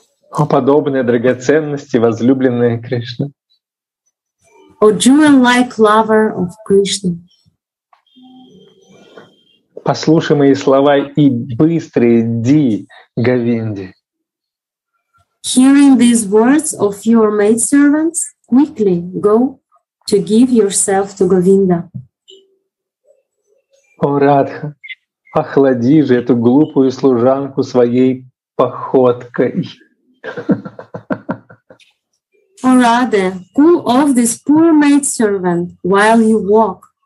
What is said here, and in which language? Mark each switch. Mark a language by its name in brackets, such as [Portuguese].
[Russian] О, подобные драгоценности, возлюбленная Кришна. [English] О, jewel-like lover of Krishna. [Russian] Послушай мои слова и быстро иди, Говинде. [English] Hearing these words of your maidservants, quickly go to give yourself to Govinda. [Russian] О, Радха, охлади же эту глупую служанку своей походкой. [English] О, Раде, cool off this poor maidservant while you walk.